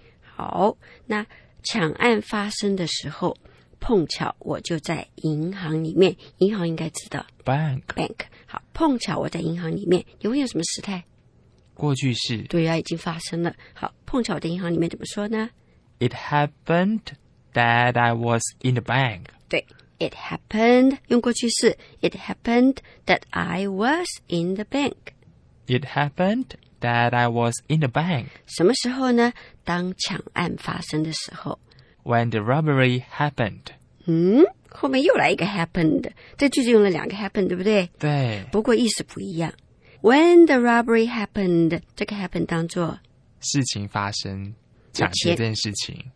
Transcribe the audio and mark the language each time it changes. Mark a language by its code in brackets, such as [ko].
[zh] 好那抢案发生的时候碰巧我就在银行里面银行应该知道 [en] Bank [zh] 好碰巧我在银行里面你会有什么时态过去式对啊已经发生了好碰巧我在银行里面怎么说呢 [en] It happened that I was in the bank [zh] 对 [en] It happened [zh] 用过去式 [en] It happened that I was in the bank It happened that I was in the bank [zh] 什么时候呢当抢案发生的时候 [en] When the robbery happened. [zh] 后面又来一个 happened. 这句子用了两个 happened, 对不对对。不过意思不一样。 [en] When the robbery happened, [zh] 这个 happened 当作事情发生抢劫这件事情。